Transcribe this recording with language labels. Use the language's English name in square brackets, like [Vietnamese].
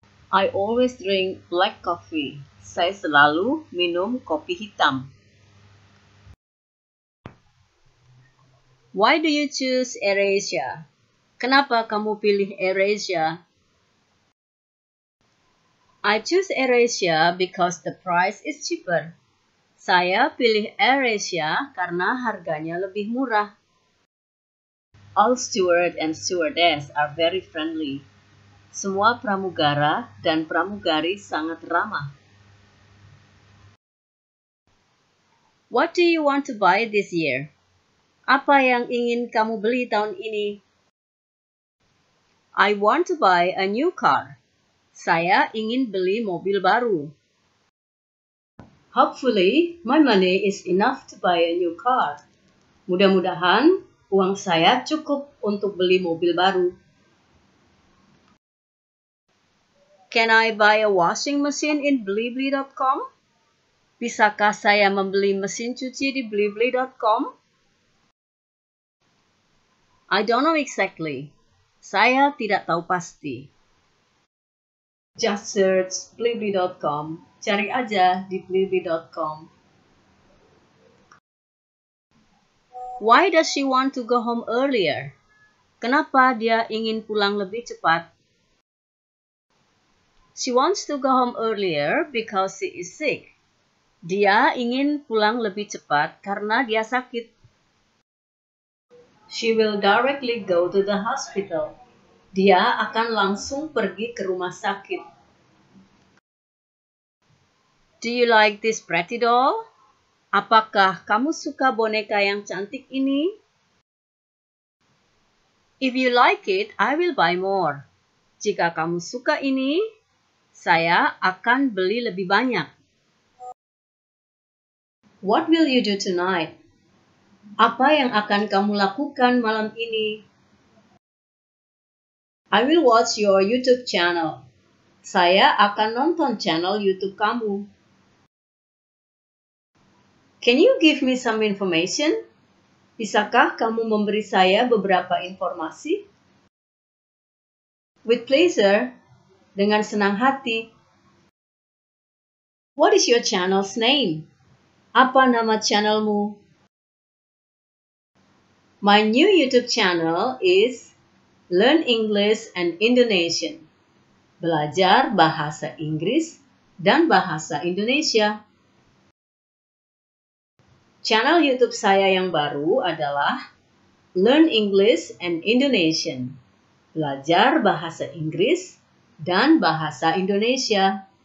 [English] I always drink black coffee. Saya selalu minum kopi hitam. Why do you choose AirAsia? [Indonesian] Kenapa kamu pilih AirAsia? [English] I choose AirAsia because the price is cheaper. [Indonesian] Saya pilih AirAsia karena harganya lebih murah. [English] All steward and stewardess are very friendly. [Indonesian] Semua pramugara dan pramugari sangat ramah. [English] What do you want to buy this year? [Indonesian] Apa yang ingin kamu beli tahun ini? [English] I want to buy a new car. Saya ingin beli mobil baru. Hopefully, my money is enough to buy a new car. [Indonesian] Mudah-mudahan, uang saya cukup untuk beli mobil baru. [English] Can I buy a washing machine in blibli.com? Bisakah saya membeli mesin cuci di blibli.com? I don't know exactly. Saya tidak tahu pasti. [Indonesian] Just search blibli.com. Cari aja di blibli.com. [English] Why does she want to go home earlier? [Indonesian] Kenapa dia ingin pulang lebih cepat? [English] She wants to go home earlier because she is sick. [Indonesian] Dia ingin pulang lebih cepat karena dia sakit. [English] She will directly go to the hospital. [Indonesian] Dia akan langsung pergi ke rumah sakit. [English] Do you like this pretty doll? [Indonesian] Apakah kamu suka boneka yang cantik ini? [English] If you like it, I will buy more. [Indonesian] Jika kamu suka ini, saya akan beli lebih banyak. [English] What will you do tonight? [Indonesian] Apa yang akan kamu lakukan malam ini? [English] I will watch your YouTube channel. [Indonesian] Saya akan nonton channel YouTube kamu. [English] Can you give me some information? [Indonesian] Bisakah kamu memberi saya beberapa informasi? With pleasure. Dengan senang hati. [English] What is your channel's name? Apa nama channelmu? My new YouTube channel is Learn English and Indonesian. [Indonesian] Belajar Bahasa Inggris dan Bahasa Indonesia. Channel YouTube saya yang baru adalah Learn English and Indonesian. Belajar Bahasa Inggris dan Bahasa Indonesia.